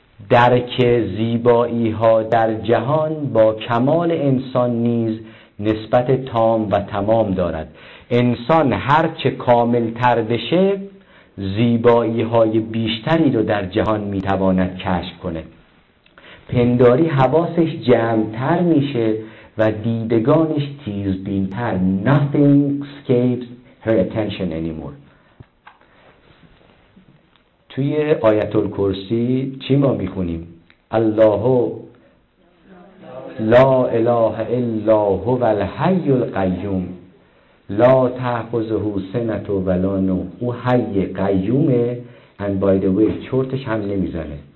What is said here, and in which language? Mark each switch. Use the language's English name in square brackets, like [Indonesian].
[Persian] درک زیبایی ها در جهان با کمال انسان نیز نسبت تام و تمام دارد. انسان هر چه کامل تر بشه زیبایی های بیشتری رو در جهان میتواند کشف کنه. پنداری حواسش جمع تر میشه و دیدگانش تیزبین تر. [English] Nothing escapes her attention anymore. [Persian] توی آیت الکرسی چی ما میخونیم؟ [Arabic] الله لا اله الا هو الحی القیوم لا تأخذه سنة ولا نوم. [Persian] او حی قیومه [English] and by the way [Persian] چرتش هم نمیزنه.